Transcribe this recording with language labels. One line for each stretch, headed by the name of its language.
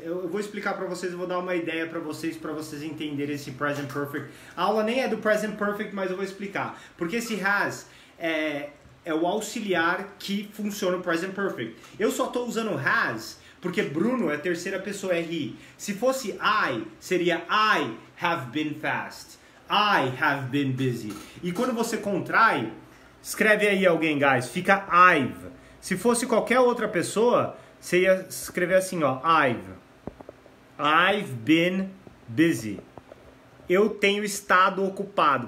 Portuguese: Eu vou explicar para vocês, eu vou dar uma ideia para vocês entenderem esse present perfect. A aula nem é do present perfect, mas eu vou explicar. Porque esse has é o auxiliar que funciona o present perfect. Eu só estou usando has porque Bruno é terceira pessoa, é he. Se fosse I, seria
English: I have been fast. I have been busy.
Portuguese: E quando você contrai, escreve aí alguém, guys, fica I've. Se fosse qualquer outra pessoa, você ia escrever assim, ó, I've.
English: I've been busy.
Portuguese: Eu tenho estado ocupado.